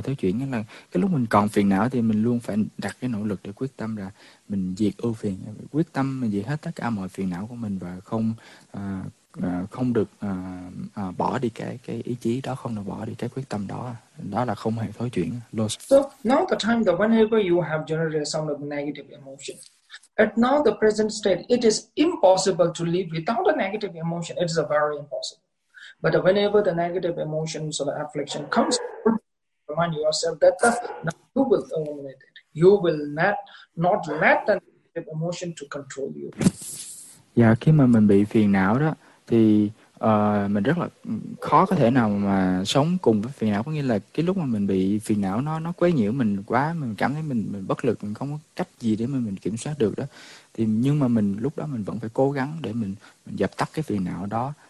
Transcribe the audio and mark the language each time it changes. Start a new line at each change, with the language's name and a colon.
Vietnamese: Tới chuyện là cái lúc mình còn phiền não thì mình luôn phải đặt cái nỗ lực để quyết tâm là mình diệt ưu phiền, quyết tâm mình diệt hết tất cả mọi phiền não của mình và không không được bỏ đi cái ý chí đó, không được bỏ đi cái quyết tâm đó, đó là không hề thối chuyển.
English: So now the time that whenever you have generated some of the negative emotion, at now the present state, it is impossible to live without a negative emotion. It is a very impossible. But whenever the negative emotions or the affliction comes, remind yourself that you will eliminate it. You will not let the negative emotion to control you.
Vietnamese: Dạ, khi mà mình bị phiền não đó thì mình rất là khó có thể nào mà sống cùng với phiền não, có nghĩa là cái lúc mà mình bị phiền não nó quấy nhiễu mình quá, mình cảm thấy mình bất lực, mình không có cách gì để mình kiểm soát được đó, thì nhưng mà mình lúc đó mình vẫn phải cố gắng để mình dập tắt cái phiền não đó.